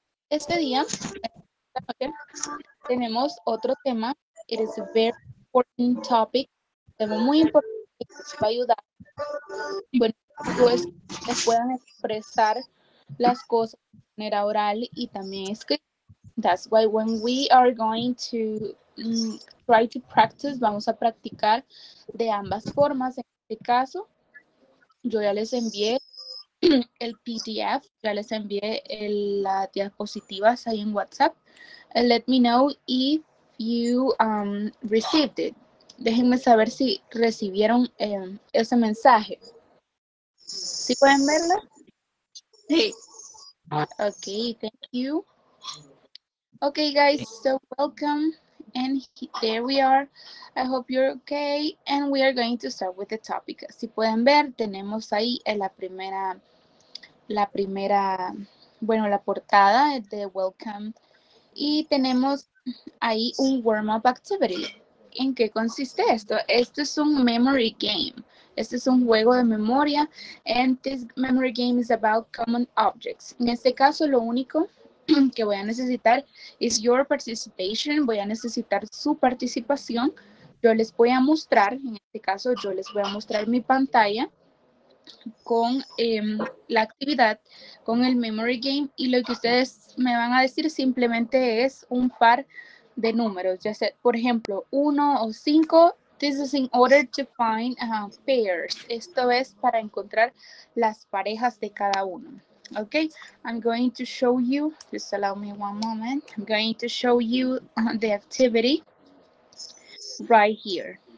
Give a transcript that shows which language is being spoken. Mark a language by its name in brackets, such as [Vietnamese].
[Spanish] Este día, tenemos otro tema. [English] It is a very important topic. [Spanish] Un tema muy importante que va a ayudar. Bueno, pues que puedan expresar las cosas de manera oral y también escrita. [English] That's why when we are going to try to practice, [Spanish] vamos a practicar de ambas formas. En este caso, yo ya les envié el PDF, ya les envié la diapositiva ahí en WhatsApp. [English] Let me know if you received it. [Spanish] Déjenme saber si recibieron ese mensaje. ¿Sí pueden verla? Sí. [English] Okay, thank you. Okay, guys, so welcome, and there we are. I hope you're okay, and we are going to start with the topic. [Spanish] Si pueden ver, tenemos ahí en la primera, bueno, la portada de welcome, y tenemos ahí un warm-up activity. ¿En qué consiste esto? Esto es un memory game. Este es un juego de memoria, [English] and this memory game is about common objects. [Spanish] En este caso, lo único que voy a necesitar [English] is your participation. [Spanish] Voy a necesitar su participación. Yo les voy a mostrar, en este caso, yo les voy a mostrar mi pantalla con la actividad, con el memory game, y lo que ustedes me van a decir simplemente es un par de números, ya sea, por ejemplo, 1 o 5. [English] This is in order to find pairs. [Spanish] Esto es para encontrar las parejas de cada uno. [English] Okay, I'm going to show you, just allow me one moment. I'm going to show you the activity right here.